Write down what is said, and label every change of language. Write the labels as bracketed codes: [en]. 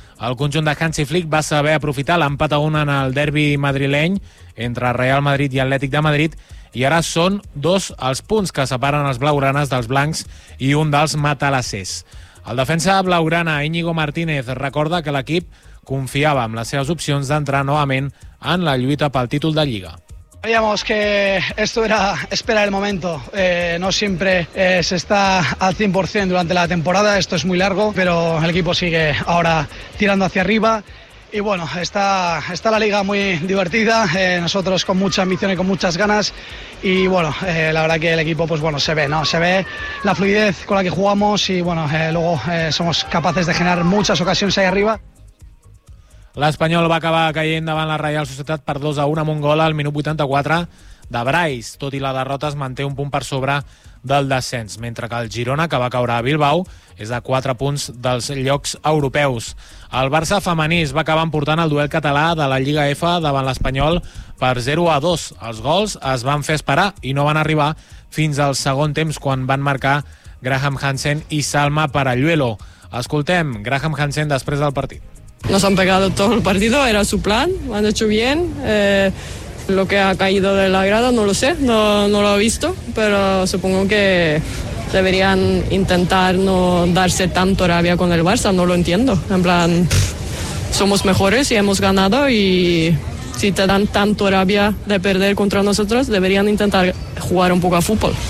[ca] El conjunt de Hansi Flick va saber aprofitar l'empat a 1 en el derbi madrileny entre Real Madrid i Atlètic de Madrid i ara són 2 els punts que separen els blaugranes dels blancs i un dels matalassers. El defensa blaugrana Íñigo Martínez recorda que l'equip confiava en les seves opcions d'entrar novament en la lluita pel títol de Lliga. [es] Sabíamos que esto era esperar el momento. No siempre se está al 100% durante la temporada, esto es muy largo, pero el equipo sigue ahora tirando hacia arriba. Y bueno, está la Liga muy divertida, nosotros con mucha ambición y con muchas ganas. Y bueno, la verdad que el equipo, pues bueno, se ve, ¿no? Se ve la fluidez con la que jugamos y bueno, luego somos capaces de generar muchas ocasiones ahí arriba. [ca] L'Espanyol va acabar caient davant la Reial Societat per 2-1 a Mongola al minut 84 de Brais. Tot i la derrota, es manté un punt per sobre del descens, mentre que el Girona, que va caure a Bilbao, és de 4 punts dels llocs europeus. El Barça femení va acabar emportant el duel català de la Lliga F davant l'Espanyol per 0-2. Els gols es van fer esperar i no van arribar fins al segon temps, quan van marcar Graham Hansen i Salma Parayuelo. Escoltem Graham Hansen després del partit. [es] Nos han pegado todo el partido, era su plan, lo han hecho bien. Lo que ha caído de la grada no lo sé, no lo he visto, pero supongo que deberían intentar no darse tanto rabia con el Barça, no lo entiendo. En plan, somos mejores y hemos ganado, y si te dan tanto rabia de perder contra nosotros, deberían intentar jugar un poco a fútbol.